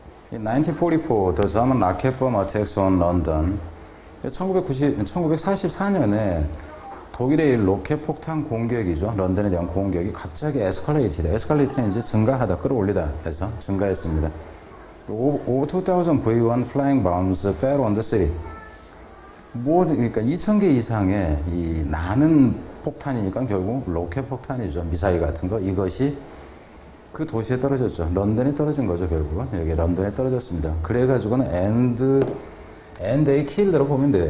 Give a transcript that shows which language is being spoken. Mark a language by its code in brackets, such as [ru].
[en] 1944, The German Rocket Bomb Attacks on London. [ko] 1944년에 독일의 로켓 폭탄 공격이죠. 런던에 대한 공격이 갑자기 에스컬레이티드. 에스컬레이트는 이제 증가하다, 끌어올리다 해서 증가했습니다. [en] Over 2000 V1 flying bombs fell on the city. [ko] 그러니까 2000개 이상의 이 나는 폭탄이니까 결국 로켓 폭탄이죠. 미사일 같은 거. 이것이 그 도시에 떨어졌죠. 런던에 떨어진 거죠, 결국은. 여기 런던에 떨어졌습니다. 그래가지고는 [en] and they killed [ko] 로 보면 돼요.